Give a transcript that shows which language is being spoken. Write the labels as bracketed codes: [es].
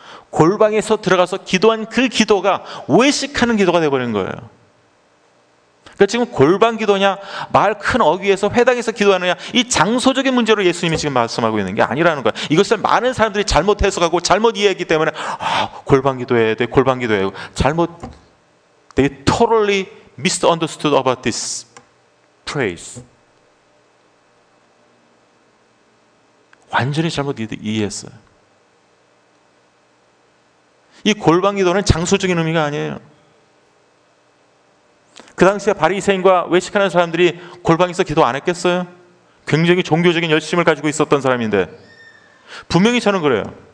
[ko] 골방에서 들어가서 기도한 그 기도가 외식하는 기도가 되어버린 거예요. 그러니까 지금 골방 기도냐, 마을 큰 어귀에서 회당에서 기도하느냐, 이 장소적인 문제로 예수님이 지금 말씀하고 있는 게 아니라는 거예요. 이것을 많은 사람들이 잘못 해석하고 잘못 이해했기 때문에 골방 기도해야 돼, 골방 기도해야 돼. 잘못, [en] they totally misunderstood about this phrase. [ko] 완전히 잘못 이해했어요. 이 골방 기도는 장소적인 의미가 아니에요. 그 당시에 바리새인과 외식하는 사람들이 골방에서 기도 안 했겠어요? 굉장히 종교적인 열심을 가지고 있었던 사람인데, 분명히 저는 그래요.